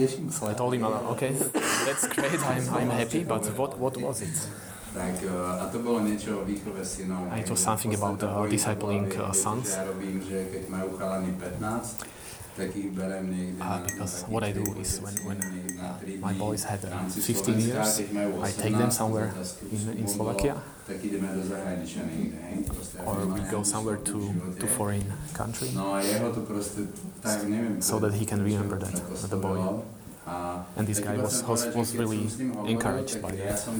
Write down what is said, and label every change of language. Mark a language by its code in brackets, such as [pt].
[en] So I told him, okay, that's great, I'm happy, but what was it? [sk] Tak, a to bolo niečo o výchove synov. [en] It was something about discipling sons. [sk] Ja robím, že keď majú chalani 15, tak ich berem niekde. [en] Because what I do is when my boys had 15 years, I take them somewhere in Slovakia. [sk] Tak ideme do zahraničia niekde. [en] Or we go somewhere to foreign country. [sk] No a jeho to proste, tak neviem. [en] So that he can remember that, the boy. And this guy was really encouraged by it.